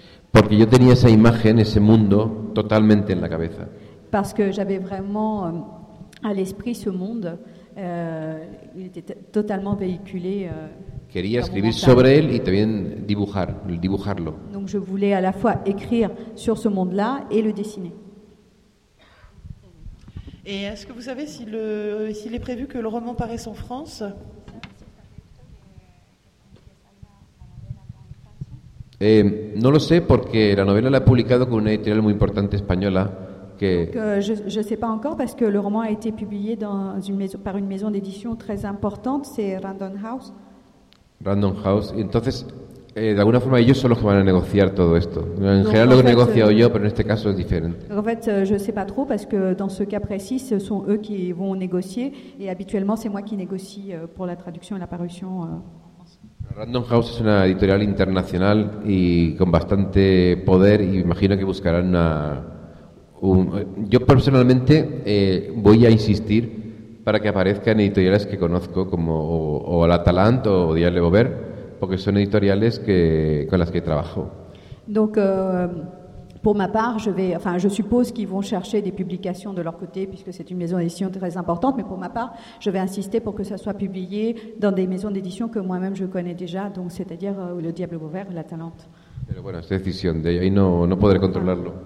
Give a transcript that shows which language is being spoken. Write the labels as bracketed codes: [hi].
[es] Porque yo tenía esa imagen, ese mundo, totalmente en la cabeza. [fr] Parce que j'avais vraiment à l'esprit ce monde, il était totalement véhiculé. [es] Quería escribir sobre él y también dibujarlo. [fr] Donc je voulais à la fois écrire sur ce monde-là et le dessiner. Et est-ce que vous savez s'il est prévu que le roman paraisse en France? [es] No lo sé porque la novela la ha publicado con una editorial muy importante española que [fr] je sais pas encore parce que le roman a été publié dans une maison par une maison d'édition très importante, c'est Random House. Random House. [es] Entonces, de alguna forma ellos son los que van a negociar todo esto. En general lo negocio yo, pero en este caso es diferente. [fr] En fait, je sais pas trop parce que dans ce cas précis, ce sont eux qui vont négocier et habituellement c'est moi qui négocie pour la traduction et la parution. [es] Random House es una editorial internacional y con bastante poder y imagino que buscarán yo personalmente voy a insistir para que aparezcan editoriales que conozco como o la Talant o Diario de Bover porque son editoriales que con las que trabajo. [fr] Donc pour ma part, je suppose qu'ils vont chercher des publications de leur côté puisque c'est une maison d'édition très importante, mais pour ma part, je vais insister pour que ça soit publié dans des maisons d'édition que moi-même je connais déjà, donc c'est-à-dire le Diable Vauvert, la Talente. [es] Pero bueno, [fr] c'est décision [es] de ahí no podré controlarlo.